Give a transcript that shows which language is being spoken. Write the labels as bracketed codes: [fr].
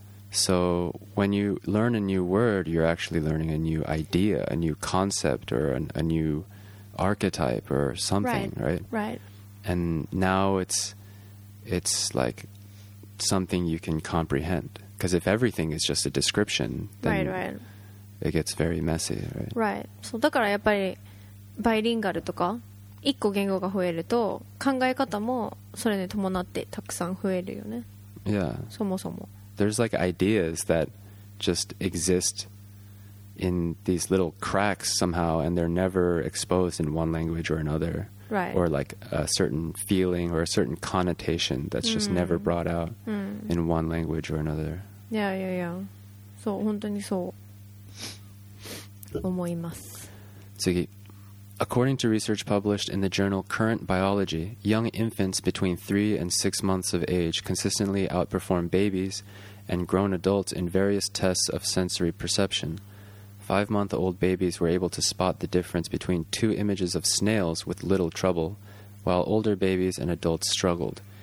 [en] So when you learn a new word, you're actually learning a new idea, a new concept, or a new archetype or something, right? And now it's like something you can comprehend, because if everything is just a description, then it gets very messy, right? [ja] そうだからやっぱりバイリンガルとか一個言語が増えると考え方もそれに伴ってたくさん増えるよね。 [en] Yeah. [ja] そもそも。 [en] There's like ideas that just exist in these little cracks somehow, and they're never exposed in one language or another, right? Or like a certain feeling or a certain connotation that's just never brought out in one language or another. Yeah. [ja] そう、本当にそう思います。次、 [en] According to research published in the journal Current Biology, young infants between 3 and 6 months of age consistently outperform babies and grown adults in various tests of sensory perception. 5-month-old babies were able to spot the difference between 2 images of snails with little trouble, while older babies and adults struggled.